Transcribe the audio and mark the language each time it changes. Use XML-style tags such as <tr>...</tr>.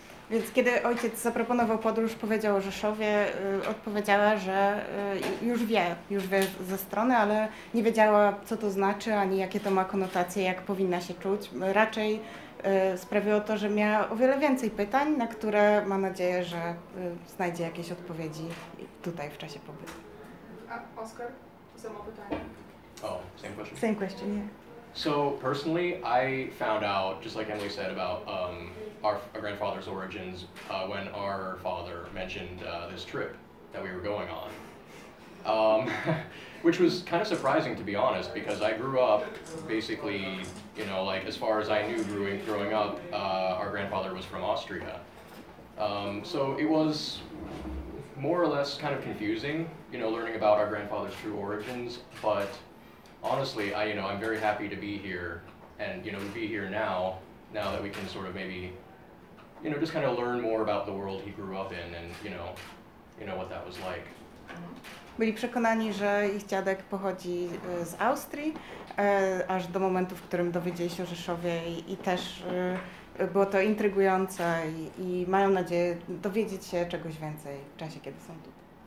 <pl>Więc kiedy ojciec zaproponował podróż, powiedział o Rzeszowie, odpowiedziała, że już wie ze strony, ale nie wiedziała, co to znaczy, ani jakie to ma konotacje, jak powinna się czuć. Raczej sprawiło to, że miała o wiele więcej pytań, na które ma nadzieję, że znajdzie jakieś odpowiedzi tutaj w czasie pobytu. A Oskar, to samo pytanie.</pl> <en>Same question, yeah. So personally, I found out, just like Emily said, about our grandfather's origins when our father mentioned this trip that we were going on, which was kind of surprising, to be honest, because I grew up basically, you know, like as far as I knew growing up, our grandfather was from Austria. So it was more or less kind of confusing, you know, learning about our grandfather's true origins, but honestly, I'm very happy to be here, and you know, be here now that we can sort of maybe, you know, just kind of learn more about the world he grew up in, and you know what that was like.</en> <pl>Byli przekonani, że ich dziadek pochodzi z Austrii, aż do momentu, w którym dowiedzieli się o Rzeszowie, i też było to intrygujące, i mają nadzieję dowiedzieć się czegoś więcej w czasie, kiedy są tutaj.</pl>